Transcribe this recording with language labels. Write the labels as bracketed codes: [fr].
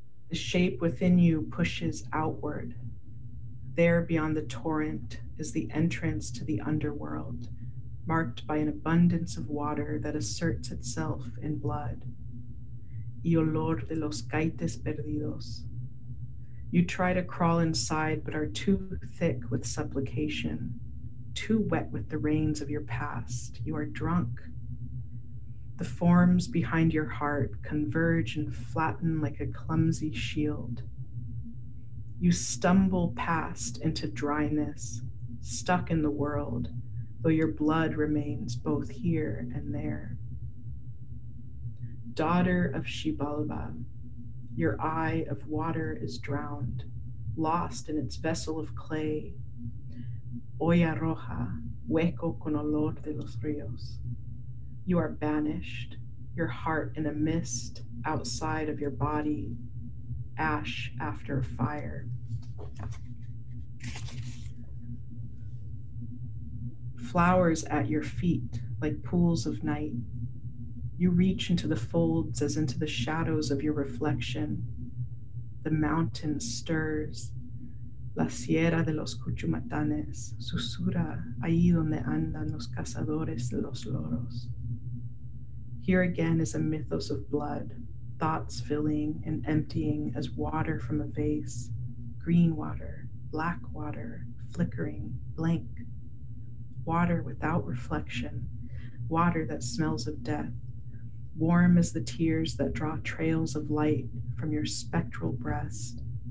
[en] The shape within you pushes outward. There beyond the torrent is the entrance to the underworld, marked by an abundance of water that asserts itself in blood. [es] Y olor de los caites perdidos. [en] You try to crawl inside but are too thick with supplication, too wet with the rains of your past. You are drunk. The forms behind your heart converge and flatten like a clumsy shield. You stumble past into dryness, stuck in the world, though your blood remains both here and there. Daughter of Shibalba, your eye of water is drowned, lost in its vessel of clay. [es] Olla roja, hueco con olor de los ríos. [en] You are banished, your heart in a mist outside of your body, ash after a fire. Flowers at your feet like pools of night. You reach into the folds as into the shadows of your reflection. The mountain stirs. [es] La Sierra de los Cuchumatanes susurra ahí donde andan los cazadores de los loros. [en] Here again is a mythos of blood, thoughts filling and emptying as water from a vase, green water, black water, flickering, blank. Water without reflection, water that smells of death, warm as the tears that draw trails of light from your spectral breast.